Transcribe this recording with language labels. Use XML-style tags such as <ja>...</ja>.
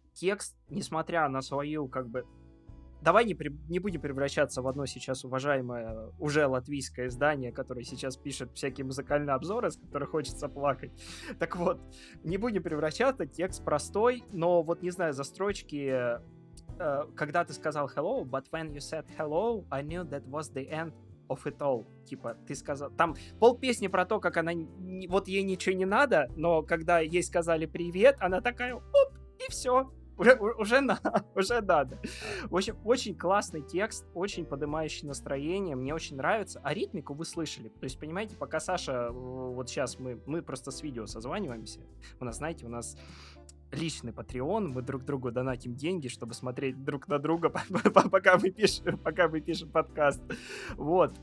<ru>Текст, несмотря на свою, как бы... Давай не будем превращаться в одно сейчас уважаемое уже латвийское издание, которое сейчас пишет всякие музыкальные обзоры, с которых хочется плакать. Так вот, не будем превращаться, текст простой, но вот, не знаю, за строчки... Когда ты сказал</ru> <en>hello, but when you said hello, I knew that was the end of it all.</en> <ru>Типа, ты сказал... Там полпесни про то, как она... Вот ей ничего не надо, но когда ей сказали привет, она такая: оп, и все. Уже надо. В общем, очень классный текст, очень поднимающий настроение, мне очень нравится. А ритмику вы слышали. То есть, понимаете, пока Саша, вот сейчас мы просто с видео созваниваемся, у нас, знаете, у нас личный Patreon, мы друг другу донатим деньги, чтобы смотреть друг на друга, пока мы пишем подкаст. Вот.</ru>